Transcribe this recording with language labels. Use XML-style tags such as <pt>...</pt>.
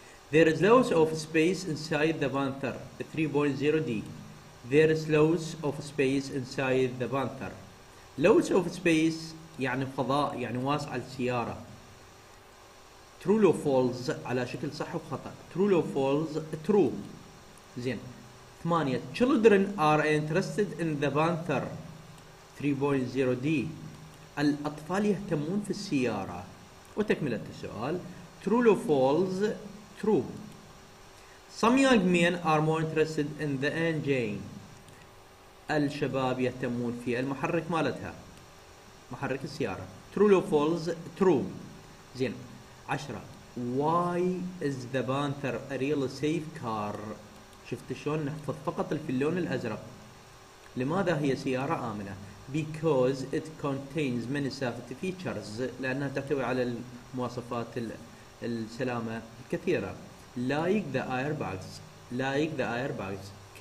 <en>There is loads of space inside the Panther 3.0D. There is loads of space inside the Panther. Loads of space</en> <ar>يعني فضاء، يعني واسع السيارة.</ar> <en>True or false</en> <ar>على شكل صح وخطأ.</ar> <en>True or false. True.</en> <ar>زين.</ar> <en>8. Children are interested in the Panther 3.0D.</en> <ar>الأطفال يهتمون في السيارة. وتكملة السؤال.</ar> <en>True or false. True. Some young men are more interested in the engine.</en> <ar>الشباب يهتمون في المحرك مالتها، محرك السيارة.</ar> <en>True or false. True.</en> <ar>زين.</ar> <en>10. Why is the Panther a real safe car?</en> <ar>شفت شلون نحفظ فقط في اللون الأزرق. لماذا هي سيارة آمنة؟</ar> <en>Because it contains many safety features.</en> <ar>لأنها تحتوي على المواصفات السلامة الكثيرة.</ar> <en>Like the airbags. Like the airbags.</en>